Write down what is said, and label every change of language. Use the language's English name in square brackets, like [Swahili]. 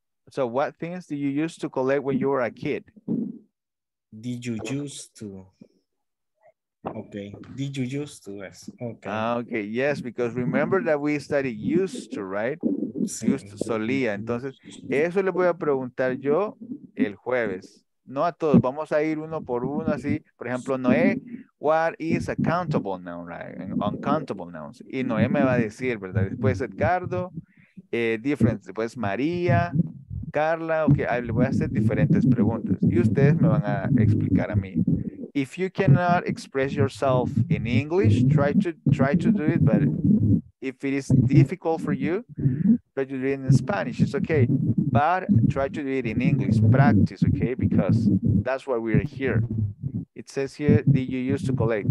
[English] So what things did you use to collect when you were a kid? Did you used to, yes. Yes, because remember that we studied used to, right? [Spanish] Sí. Used to, solía. Entonces, eso le voy a preguntar yo el jueves. No a todos, vamos a ir uno por uno así. Por ejemplo, Noé, [English] what is a countable noun, right? An uncountable nouns. [Spanish] Y Noé me va a decir, ¿verdad? Después Edgardo, different, después María, Carla, okay, le voy a hacer diferentes preguntas y ustedes me van a explicar a mí. [English] If you cannot express yourself in English, try to do it, but if it is difficult for you, but you read it in Spanish, it's okay. But try to do it in English, practice, okay? Because that's why we're here. It says here, did you use to collect?